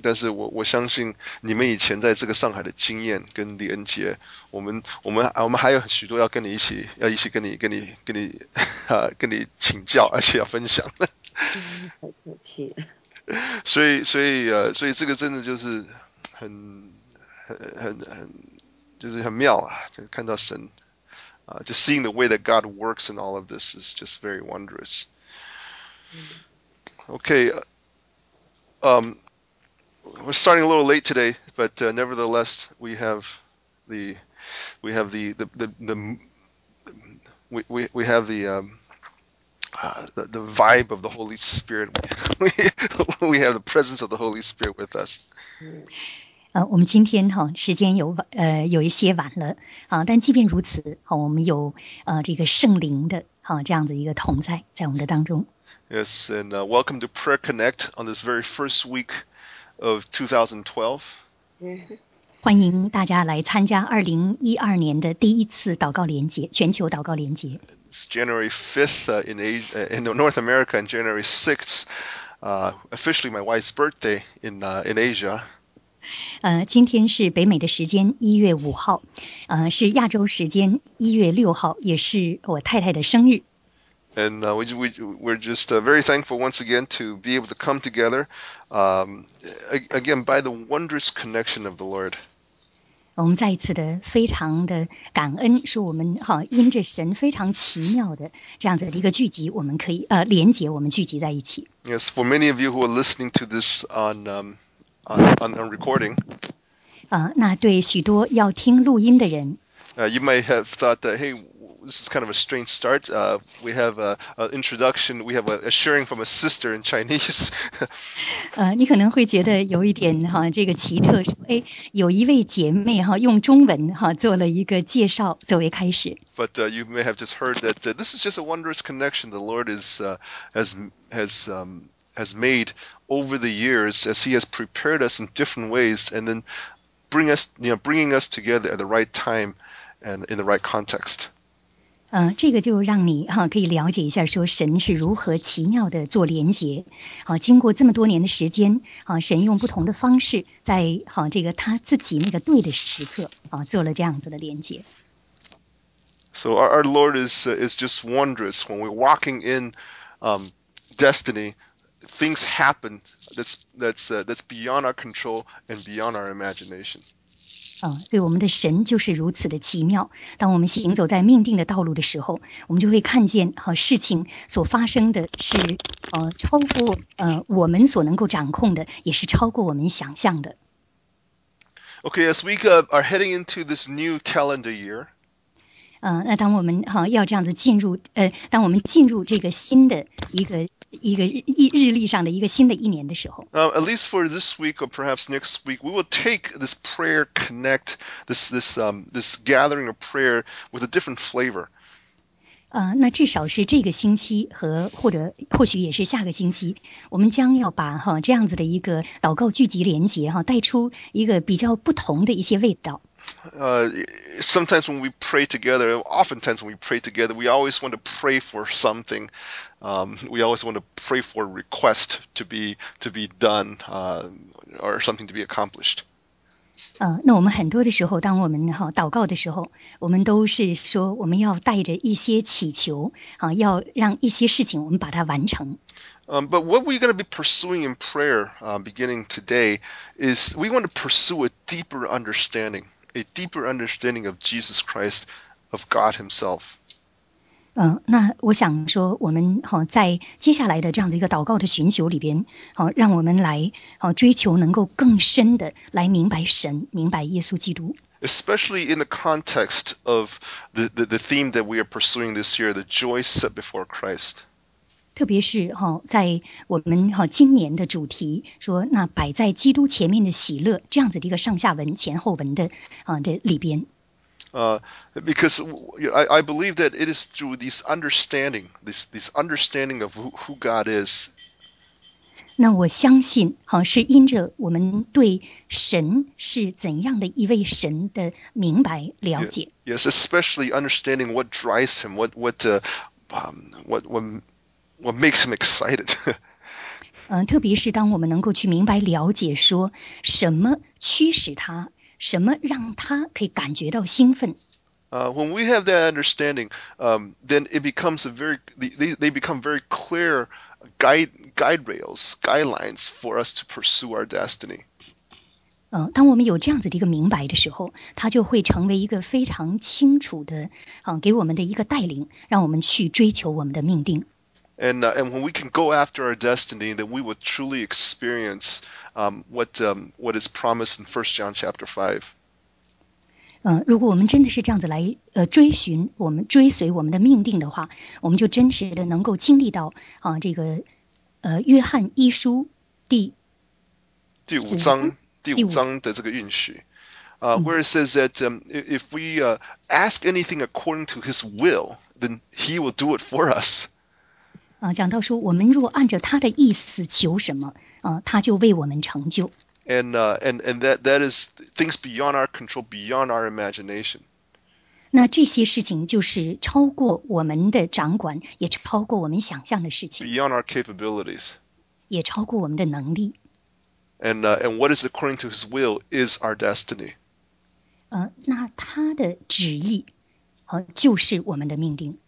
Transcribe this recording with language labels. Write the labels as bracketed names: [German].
[Chinese] 但是我相信你们以前在这个上海的经验跟连接，我们还有许多要跟你一起，要一起跟你跟你请教，而且要分享。所以这个真的就是很就是很妙啊，就看到神。 [English] Just seeing the way that God works in all of this is just very wondrous. Okay, we're starting a little late today, but nevertheless, we have the vibe of the Holy Spirit. We have the presence of the Holy Spirit with us. [Chinese] 我们今天哈时间有一些晚了啊，但即便如此，好，我们有这个圣灵的哈这样子一个同在我们的当中。 [English] Yes, and welcome to Prayer Connect on this very first week of 2012. [Chinese] 欢迎大家来参加2012年的第一次祷告联结，全球祷告联结。 [English] It's January 5th in Asia, in North America, and January 6th, officially my wife's birthday in Asia. [Chinese] 今天是北美的时间1月5号，是亚洲时间1月6号，也是我太太的生日。 [English] And we're just very thankful once again to be able to come together, again by the wondrous connection of the Lord. [Chinese] 我们再一次的非常的感恩，是我们哈因着神非常奇妙的这样子的一个聚集，我们可以连结，我们聚集在一起。 [English] Yes, for many of you who are listening to this on recording. [Chinese] 那对许多要听录音的人。 [English] You might have thought that, hey, this is kind of a strange start. We have an introduction, we have a sharing from a sister in Chinese. [Chinese] 你可能会觉得有一点哈这个奇特，说哎，有一位姐妹哈用中文哈做了一个介绍作为开始。 [English] But you may have just heard that this is just a wondrous connection the Lord is has made over the years as he has prepared us in different ways and then bringing us together at the right time and in the right context. [Chinese] 这个就让你哈、可以了解一下，说神是如何奇妙的做连结。好、经过这么多年的时间，神用不同的方式在，在这个他自己那个对的时刻，做了这样子的连结。 [English] So our Lord is just wondrous. When we're walking in, destiny, things happen that's beyond our control and beyond our imagination. [Chinese] 对，我们的神就是如此的奇妙。当我们行走在命定的道路的时候，我们就会看见和、事情所发生的是超过我们所能够掌控的，也是超过我们想象的。 [English] Okay, as we are heading into this new calendar year. [Chinese] 那当我们哈、要这样子进入当我们进入这个新的一个日历上的一个新的一年的时候。 [English] At least for this week or perhaps next week, we will take this prayer connect, this gathering of prayer with a different flavor. [Chinese] 那至少是这个星期和或许也是下个星期，我们将要把哈、这样子的一个祷告聚集连结哈、带出一个比较不同的一些味道。 [English] Sometimes when we pray together, oftentimes when we pray together, we always want to pray for something. We always want to pray for a request to be done, or something to be accomplished. [Chinese] 那我们很多的时候，当我们哈、祷告的时候，我们都是说我们要带着一些祈求，啊、要让一些事情我们把它完成。 [English] But what we're going to be pursuing in prayer, beginning today, is we want to pursue a deeper understanding. A deeper understanding of Jesus Christ, of God Himself. [Chinese] 那我想说，我们哈、在接下来的这样的一个祷告的寻求里边，好、让我们来好、追求能够更深的来明白神，明白耶稣基督。 [English] Especially in the context of the theme that we are pursuing this year, the joy set before Christ. [Chinese] 特别是哈、在我们哈、今年的主题说那摆在基督前面的喜乐这样子的一个上下文前后文的啊、的里边。 [English] Because I believe that it is through this understanding of who God is. [Chinese] 那我相信哈、是因着我们对神是怎样的一位神的明白了解。 [English] Yeah, yes, especially understanding what drives him, what makes him excited. [Chinese] 特别是当我们能够去明白了解说什么驱使他，什么让他可以感觉到兴奋。 [English] When we have that understanding, then it becomes they become very clear guidelines for us to pursue our destiny. [Chinese] 当我们有这样子的一个明白的时候，它就会成为一个非常清楚的，给我们的一个带领，让我们去追求我们的命定。 [English] And when we can go after our destiny, then we will truly experience what is promised in 1 John chapter 5. [Chinese] 如果我们真的是这样子来追寻我们追随我们的命定的话，我们就真实的能够经历到啊这个约翰一书第五章的这个应许。 [English] Where it says that if we ask anything according to his will, then he will do it for us. [Chinese] 讲到说我们若按照他的意思求什么、他就为我们成就。 [English] And that is things beyond our control, beyond our imagination. [Chinese] 那这些事情就是超过我们的掌管，也超过我们想象的事情。 [English] Beyond our capabilities. [Chinese] 也超过我们的能力。 [English] And what is according to his will is our destiny. [Chinese] 那他的旨意、就是我们的命定。